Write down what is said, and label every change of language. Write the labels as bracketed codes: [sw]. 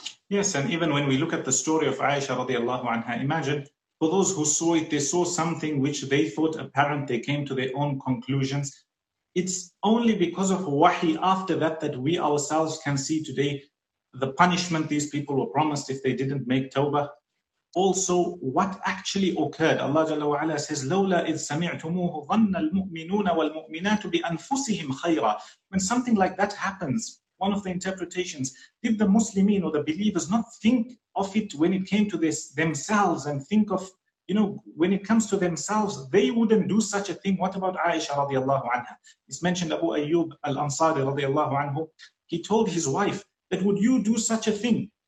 [en] Yes, and even when we look at the story of Aisha radiallahu anha, imagine, for those who saw it, they saw something which they thought apparent. They came to their own conclusions. It's only because of wahi after that we ourselves can see today the punishment these people were promised if they didn't make tawbah. Also, what actually occurred. [ar] Allah Jalla wa Ala says, لَوْلَا إِذْ سَمِعْتُمُوهُ ظَنَّ الْمُؤْمِنُونَ وَالْمُؤْمِنَاتُ بِأَنفُسِهِمْ خَيْرًا. [en] When something like that happens, one of the interpretations, did the Muslimin or the believers not think of it when it came to this themselves, and think of, you know, when it comes to themselves, they wouldn't do such a thing. What about Aisha radiallahu anha? It's mentioned Abu Ayyub al-Ansari radiallahu anhu. He told his wife that, would you do such a thing?